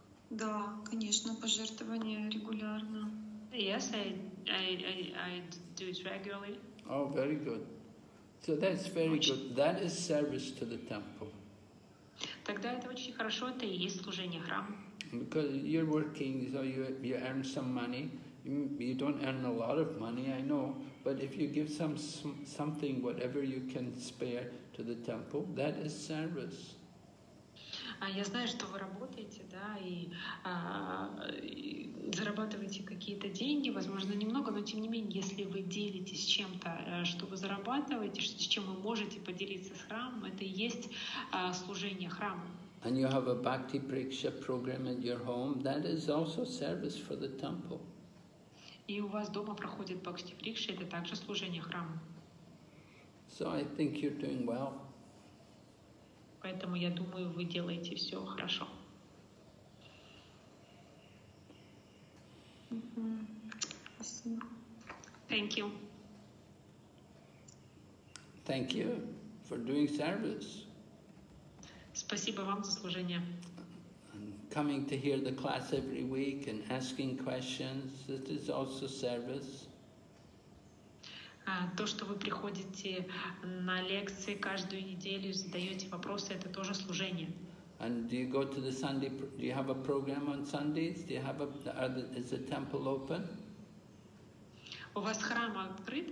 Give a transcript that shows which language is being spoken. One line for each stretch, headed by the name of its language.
Russian: Да, конечно, пожертвование регулярно.
English: Yes, I do it regularly. Oh, very good. So that's very good. That is service to the temple.
Russian: Тогда это очень хорошо, это и есть служение храму.
English: Because you're working, so you earn some money. You don't earn a lot of money, I know. But if you give something, whatever you can spare, to the temple, that is service.
Russian: Я знаю, что вы работаете, да, и зарабатываете какие-то деньги, возможно, немного, но тем не менее, если вы делитесь чем-то, что вы зарабатываете, с чем вы можете поделиться с храмом, это и есть служение храму.
English: And you have a Bhakti Priksha program at your home, that is also service for the temple.
Russian: И у вас дома проходит Бхакти Прикша, это также служение храму.
English: So I think you're doing well.
Russian: Поэтому я думаю, вы делаете все хорошо.
English: Thank you. Thank you for doing service.
Russian: Спасибо вам за служение.
English: Coming to hear the class every week and asking questions, this is also service.
Russian: То, что вы приходите на лекции каждую неделю, задаете вопросы, это тоже служение.
English: And do you go to the Sunday? Do you have a program on Sundays? Do you have is the temple open?
Russian: У вас храм открыт?